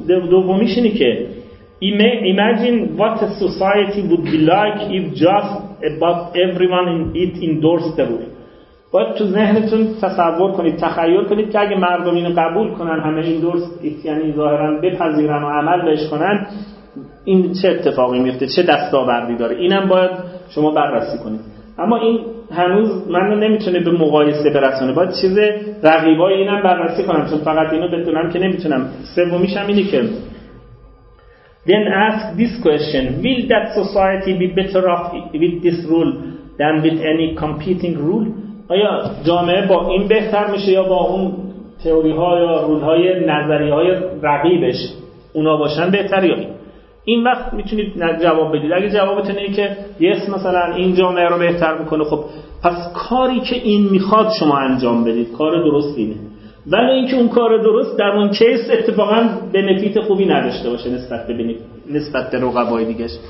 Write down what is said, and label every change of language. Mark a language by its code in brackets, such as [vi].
[fa] دومیش اینه که [en] imagine what a society would be like if just about everyone in it endorsed the rule. [fa] باید تو ذهنتون تصور کنید، تخیل کنید که اگه مردم اینو قبول کنن، همه [en] endorse it [fa] یعنی ظاهرن بپذیرن و عمل بهش کنن، این چه اتفاقی میفته، چه دستاوردی داره. اینم باید شما بررسی کنید. اما این هنوز منو نمیتونه به مقایسه برسونه، باید چیز رقیبای اینم بررسی کنم، چون فقط اینو بتونم که نمیتونم. سومیش هم اینه که [en] then ask this question, will that society be better off with this rule than with any competing rule. [fa] آیا جامعه با این بهتر میشه یا با اون تئوری ها یا رول های نظری های رقیبش اونا باشن بهتر یا این وقت میتونید جواب بدید. اگه جوابتون اینه که yes مثلا این جامعه رو بهتر میکنه، خب پس کاری که این میخواد شما انجام بدید کار درست اینه، ولی اینکه اون کار درست در اون کیس اتفاقا بنفیت خوبی نداشته باشه نسبت به رقبای دیگش.